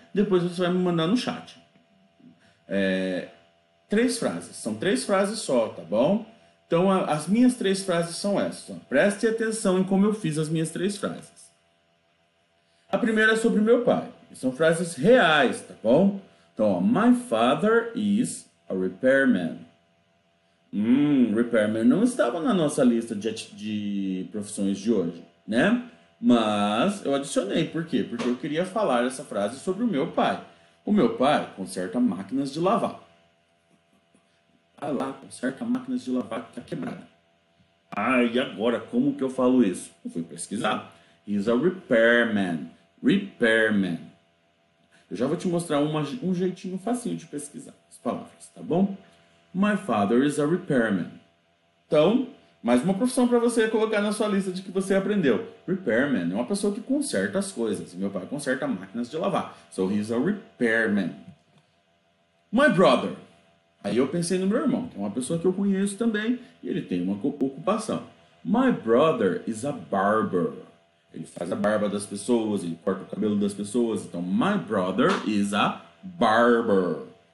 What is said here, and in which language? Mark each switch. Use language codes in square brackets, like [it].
[pt] Depois você vai me mandar no chat. Três frases. São três frases só, tá bom? Então, as minhas três frases são essas. Ó. Preste atenção em como eu fiz as minhas três frases. A primeira é sobre meu pai. São frases reais, tá bom? [en] Então, ó, my father is a repairman. [pt] Repairman não estava na nossa lista de profissões de hoje, né? Mas eu adicionei, por quê? Porque eu queria falar essa frase sobre o meu pai. O meu pai conserta máquinas de lavar. Vai lá, conserta máquinas de lavar que está quebrada. Ah, e agora como que eu falo isso? Eu fui pesquisar. [en] He's a repairman. [pt] Repairman. Eu já vou te mostrar um jeitinho facinho de pesquisar as palavras, tá bom? [en] My father is a repairman. [pt] Então. Mais uma profissão para você colocar na sua lista de que você aprendeu. Repairman é uma pessoa que conserta as coisas. Meu pai conserta máquinas de lavar. [en] So he's a repairman. My brother. [pt] Aí eu pensei no meu irmão, que é uma pessoa que eu conheço também e ele tem uma ocupação. [en] My brother is a barber. [pt] Ele faz a barba das pessoas, ele corta o cabelo das pessoas. Então, [en] my brother is a barber.